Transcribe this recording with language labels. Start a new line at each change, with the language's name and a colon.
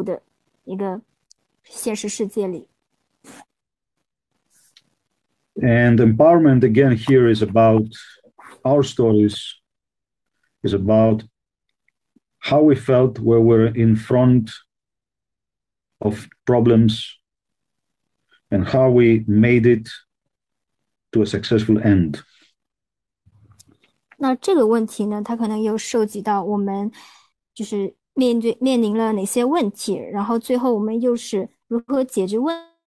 Chinese: 因为我们身处在一个充满焦虑，然后充满混乱，然后可能是也充满很多模糊的一个现实世界里。
English: And empowerment again here is about our stories, is about how we felt when we were in front of problems and how we made it to a successful end.
Chinese: 那这个问题呢，它可能又涉及到我们，就是面临了哪些问题，然后最后我们又是如何解决问题。